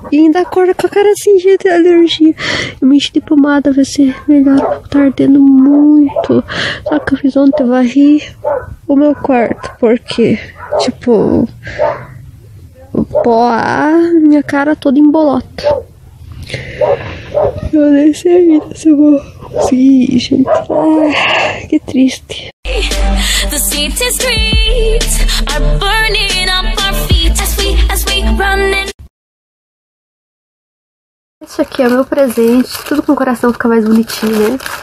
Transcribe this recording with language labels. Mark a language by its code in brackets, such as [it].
[pt] E ainda acordo com a cara assim, cheia de alergia. Eu me enchi de pomada, vai ser melhor, tá ardendo muito. Só que eu fiz ontem, varri o meu quarto, porque, tipo, pó, minha cara toda em bolota. Eu nem sei a vida se eu vou. Sim, gente. Ai, que triste. [en] The city streets are burning up our feet as we run in. [pt] Esse aqui é meu presente. Tudo com o coração fica mais bonitinho, né?